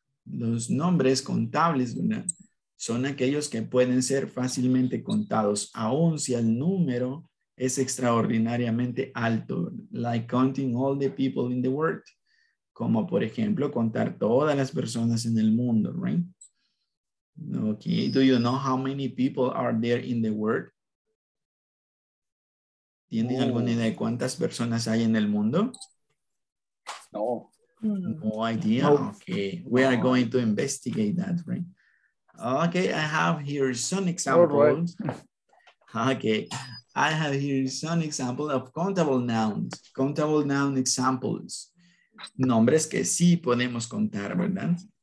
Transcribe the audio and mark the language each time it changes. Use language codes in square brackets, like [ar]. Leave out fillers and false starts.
[es] Los nombres contables, ¿verdad? Son aquellos que pueden ser fácilmente contados, aun si el número es extraordinariamente alto, [en] like counting all the people in the world, [es] como por ejemplo contar todas las personas en el mundo, right? [en] Okay, do you know how many people are there in the world? [es] ¿Tienen alguna idea de cuántas personas hay en el mundo? No. [en] No idea. Okay, we are going to investigate that, right? Okay, I have here some examples. Okay, I have here some examples of countable nouns. Countable noun examples. [es] Nombres que sí podemos contar, ¿verdad?